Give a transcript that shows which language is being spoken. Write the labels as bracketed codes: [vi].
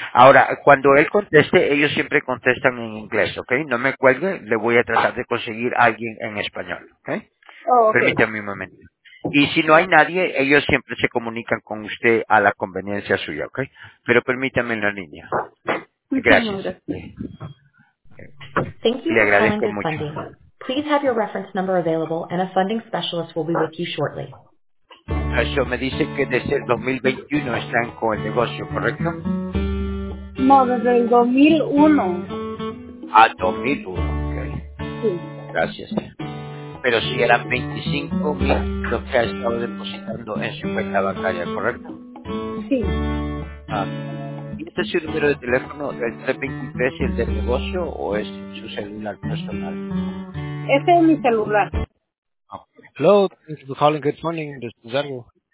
[es] Ahora, cuando él conteste, ellos siempre contestan en inglés, ¿ok? No me cuelgue, le voy a tratar de conseguir alguien en español, ¿ok? [en] Oh, okay. [es] Permítame un momento. Y si no hay nadie, ellos siempre se comunican con usted a la conveniencia suya, ¿ok? Pero permítame en la línea. Gracias. [en] Thank you. [es] Le agradezco mucho. [en] Funding. Please have your reference number available and a funding specialist will be with you shortly. [es] Eso me dice que desde el 2021 están con el negocio, ¿correcto? No, desde el 2001. Ah, 2001, ok. Sí. Gracias. Pero si eran 25 mil lo que ha estado depositando en su cuenta bancaria, ¿correcto? Sí. Ah, ¿este es su número de teléfono, el 323, el del negocio, o es su celular personal? Este es mi celular. [en] Hello, thank you for calling. Good morning, this is Zergo.